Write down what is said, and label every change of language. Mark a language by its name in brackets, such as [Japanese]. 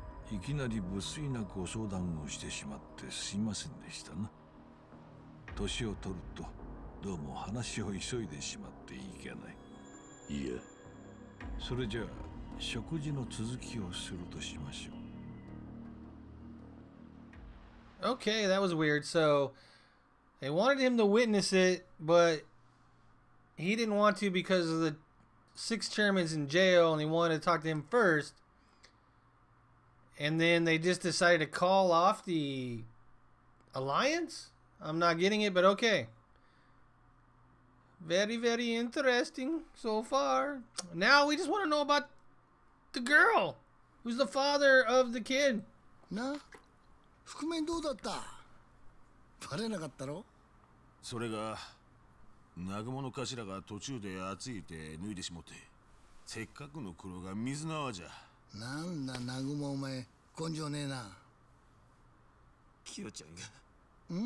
[Japanese] いきなり無粋なご相談をしてしまってすいませんでしたな。年を取るとどうも話を急いでしまっていけない。いや。それじゃあ食事の続きをするとしましょう。 [English] Okay, that was weird. So they wanted him to witness it, but he didn't want to because of the sixth chairman's in jail and he wanted to talk to him first. And then they just decided to call off the alliance? I'm not getting it, but okay. Very, very interesting so far. Now we just want to know about the girl who's the father of the kid. [Japanese] Na? 覆面どうだった?バレなかったろ? それが、南雲の頭が途中で熱いて脱いでしもって、せっかくの黒が水縄じゃ。なんだ南雲お前、根性ねえな。キヨちゃんが。